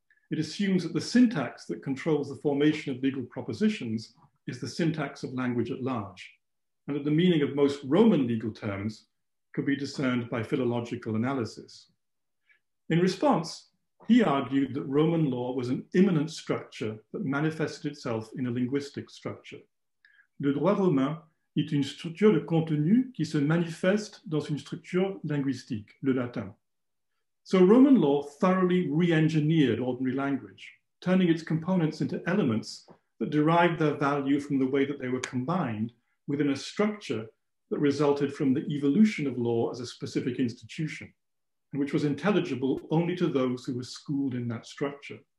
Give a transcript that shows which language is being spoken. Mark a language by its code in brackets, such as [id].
[en] It assumes that the syntax that controls the formation of legal propositions is the syntax of language at large, and that the meaning of most Roman legal terms could be discerned by philological analysis. In response, he argued that Roman law was an immanent structure that manifested itself in a linguistic structure. [fr] Le droit romain est une structure de contenu qui se manifeste dans une structure linguistique, le latin. [en] So Roman law thoroughly re-engineered ordinary language, turning its components into elements that derived their value from the way that they were combined within a structure that resulted from the evolution of law as a specific institution, and which was intelligible only to those who were schooled in that structure.